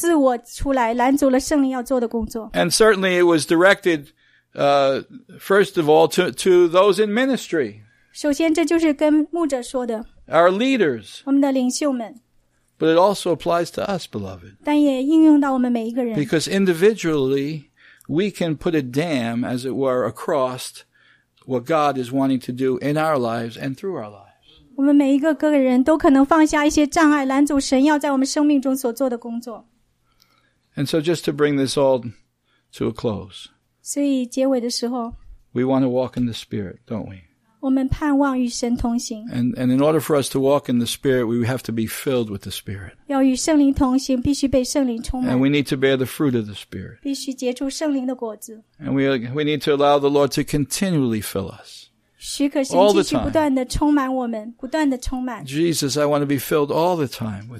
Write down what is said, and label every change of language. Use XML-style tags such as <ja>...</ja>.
<zh>有一些大坝就是我们允许自我出来拦阻了圣灵要做的工作。</zh> <en>And certainly it was directed, first of all, to those in ministry.</en> <zh>首先这就是跟牧者说的。</zh> <en>Our leaders.</en> <zh>我们的领袖们,</zh> <en>but it also applies to us, beloved.</en> <zh>但也应用到我们每一个人,</zh> <en>because individually, we can put a dam, as it were, across what God is wanting to do in our lives and through our lives.</en> <zh>我们每一个个人都可能放下一些障碍,拦阻神要在我们生命中所做的工作。</zh> <en>And so just to bring this all to a close.</en> <zh>所以结尾的时候,</zh> <en>we want to walk in the Spirit, don't we?</en> <zh>我们盼望与神同行。</zh> <en>And in order for us to walk in the Spirit, we have to be filled with the Spirit.</en> <zh>要与圣灵同行, 必须被圣灵充满。</zh> <en>And we need to bear the fruit of the Spirit.</en> <zh>必须结出圣灵的果子。</zh> <en>And we need to allow the Lord to continually fill us.</en> <zh>许可神继续不断地充满我们,</zh> <en>all the time.</en> <zh>不断地充满。</zh> <en>Jesus, I want to be filled all the time with</en>